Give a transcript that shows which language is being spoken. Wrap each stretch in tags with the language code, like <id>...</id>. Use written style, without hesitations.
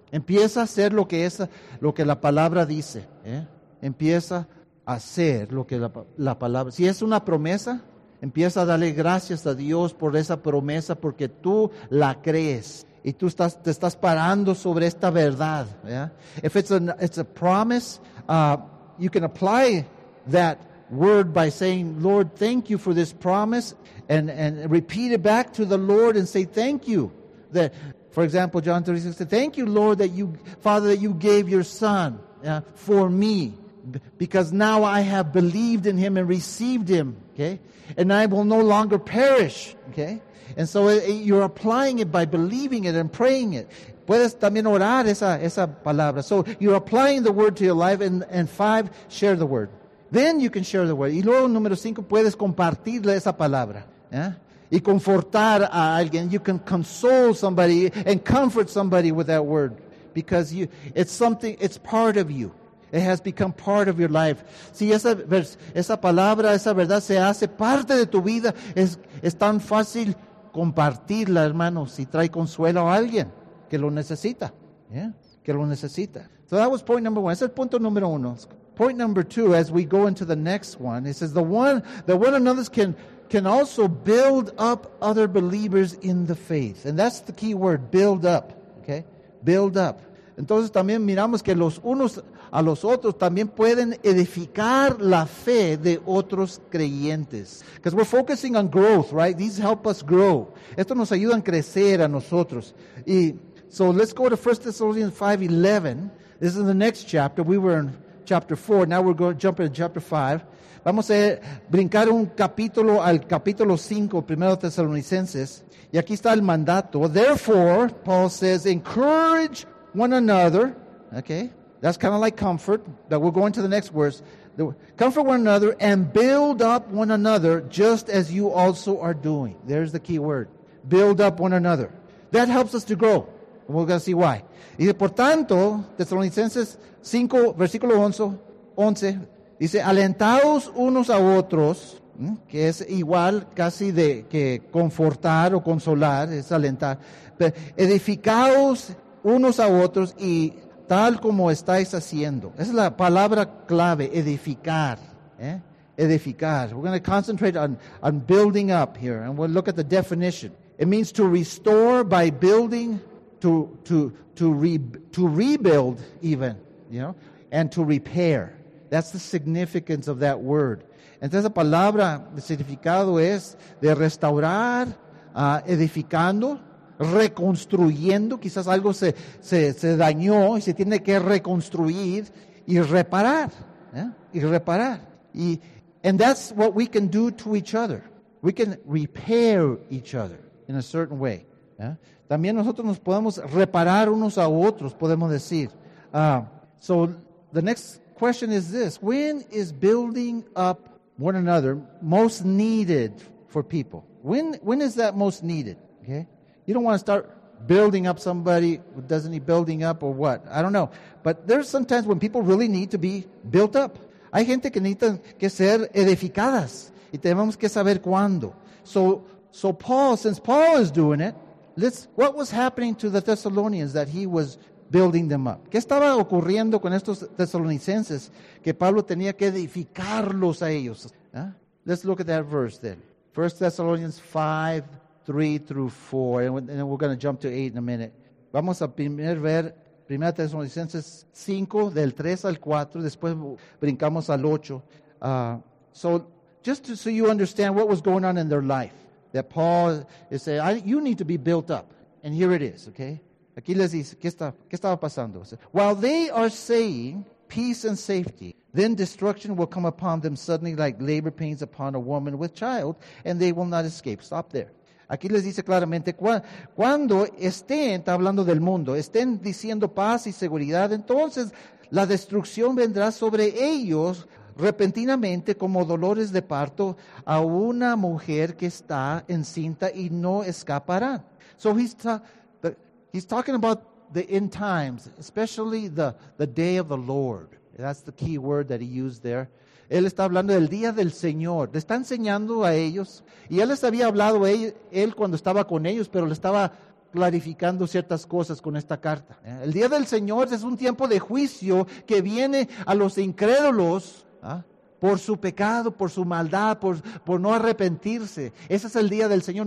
<es>Empieza a hacer lo que es lo que la palabra dice. ¿Eh? Empieza a hacer lo que la palabra. Si es una promesa, empieza a darle gracias a Dios por esa promesa porque tú la crees. Y tú estás, te estás parando sobre esta verdad. ¿Eh?</es> <en>If it's a promise, you can apply that word by saying, Lord, thank you for this promise. And repeat it back to the Lord and say, thank you. That, for example, John 36 said, thank you, Lord, that you, Father, that you gave your son for me. Because now I have believed in him and received him. Okay? And I will no longer perish. Okay? And so you're applying it by believing it and praying it.</en> <es>Puedes también orar esa palabra.</es> <en>So you're applying the word to your life. And five, share the word. Then you can share the word.</en> <es>Y luego, número cinco, puedes compartirle esa palabra. ¿Eh? Y confortar a alguien.</es> <en>You can console somebody and comfort somebody with that word. Because you, it's something, it's part of you. It has become part of your life.</en> <es>Si esa palabra, esa verdad se hace parte de tu vida, es tan fácil compartirla, hermano, si trae consuelo a alguien que lo necesita. ¿Eh? Que lo necesita.</es> <en>So that was point number one.</en> <es>Ese es el punto número uno.</es> <en>Point number two, as we go into the next one, it says the one another can also build up other believers in the faith. And that's the key word, build up. Okay? Build up.</en> <es>Entonces también miramos que los unos a los otros también pueden edificar la fe de otros creyentes.</es> <en>Because we're focusing on growth, right? These help us grow.</en> <es>Esto nos ayuda a crecer a nosotros.</es> <en>Y, so let's go to 1 Thessalonians 5:11. This is the next chapter. We were in chapter 4. Now we're going to jump into chapter 5.</en> <es>Vamos a brincar un capítulo al capítulo 5, 1 Tesalonicenses. Y aquí está el mandato.</es> <en>Therefore, Paul says, encourage one another. Okay? That's kind of like comfort. But we're going to the next verse. Comfort one another and build up one another just as you also are doing. There's the key word. Build up one another. That helps us to grow. And we're going to see why.</en> <es>Y por tanto, Tesalonicenses 5, versículo 11, dice, alentaos unos a otros, que es igual casi de que confortar o consolar, es alentar. Pero edificaos unos a otros y tal como estáis haciendo. Esa es la palabra clave, edificar. ¿Eh? Edificar.</es> <en>We're going to concentrate on building up here, and we'll look at the definition. It means to restore by building, to rebuild even, you know, and to repair. That's the significance of that word.</en> <es>Entonces, la palabra, el significado es de restaurar, edificando, reconstruyendo. Quizás algo se dañó y se tiene que reconstruir y reparar. ¿Eh? Y reparar.</es> <en>Y, and that's what we can do to each other. We can repair each other in a certain way. ¿Eh?</en> <es>También nosotros nos podemos reparar unos a otros, podemos decir.</es> <en>So, the next question is this. When is building up one another most needed for people? When is that most needed? Okay? You don't want to start building up somebody who doesn't need building up or what. I don't know. But there's sometimes when people really need to be built up.</en> <es>Hay gente que necesita que ser edificadas. Y tenemos que saber cuándo.</es> <en>So Paul, since Paul is doing it, what was happening to the Thessalonians that he was building them up?</en> <es>¿Qué estaba ocurriendo con estos tesalonicenses que Pablo tenía que edificarlos a ellos?</es> <en>¿Eh? Let's look at that verse then. 1 Thessalonians 5:3 through 4. And then we're going to jump to 8 in a minute.</en> <es>Vamos a primero ver 1 Tesalonicenses 5, del 3 al 4. Después brincamos al 8.</es> <en>So you understand what was going on in their life. That Paul is saying, you need to be built up. And here it is, okay?</en> <es>Aquí les dice, ¿qué estaba pasando?</es> <en>While they are saying peace and safety, then destruction will come upon them suddenly like labor pains upon a woman with child, and they will not escape. Stop there.</en> <es>Aquí les dice claramente, cuando estén, está hablando del mundo, estén diciendo paz y seguridad, entonces la destrucción vendrá sobre ellos repentinamente como dolores de parto a una mujer que está encinta y no escaparán.</es> <en>So he's talking about the end times, especially the day of the Lord. That's the key word that he used there.</en> <es>Él está hablando del día del Señor. Le está enseñando a ellos. Y Él les había hablado él cuando estaba con ellos, pero le estaba clarificando ciertas cosas con esta carta. El día del Señor es un tiempo de juicio que viene a los incrédulos, ¿ah?, por su pecado, por su maldad, por no arrepentirse. Ese es el día del Señor.</es>